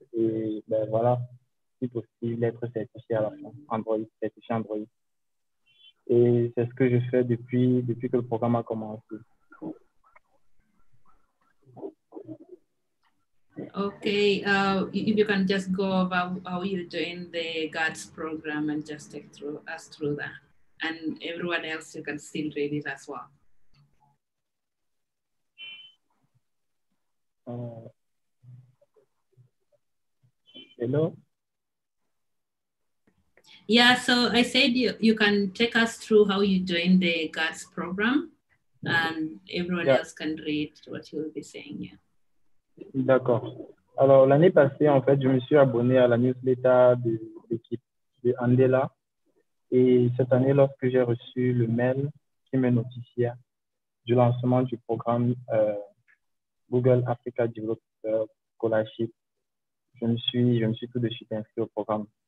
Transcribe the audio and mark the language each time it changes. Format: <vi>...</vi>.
<fr>Et ben voilà, si possible, être certifié à la fin, certifié Android. Et c'est ce que je fais depuis que le programme a commencé.</fr> <en>Okay, if you can just go over how you joined the GADS program and just take us through that. And everyone else, you can still read it as well. Hello? Yeah, so I said you can take us through how you joined the GADS program and everyone else can read what you will be saying. Yeah.</en> <fr>D'accord. Alors, l'année passée, en fait, je me suis abonné à la newsletter de l'équipe de Andela. Et cette année, lorsque j'ai reçu le mail qui me notifia du lancement du programme Google Africa Developer Scholarship, je me suis tout de suite inscrit au programme.</fr>